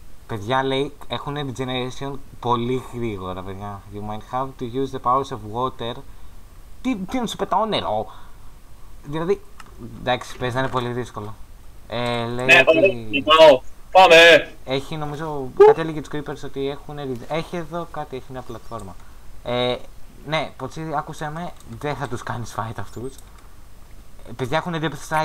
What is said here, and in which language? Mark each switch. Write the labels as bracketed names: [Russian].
[Greek] Παιδιά λέει, έχουν regeneration πολύ γρήγορα, παιδιά. [English] You might have to use the powers of water. [Greek] Τι να σου πετάω νερό. Δηλαδή, εντάξει, παίζει να είναι πολύ δύσκολο. Λέει ναι, ότι... πάμε. Έχει νομίζω, κάτι έλεγε τους creepers ότι έχουν... Έχει εδώ κάτι, έχει μια πλατφόρμα. Ναι, ποτσίδι, άκουσέ με, δεν θα τους κάνεις fight αυτούς. Παιδιά έχουν Depth Strider.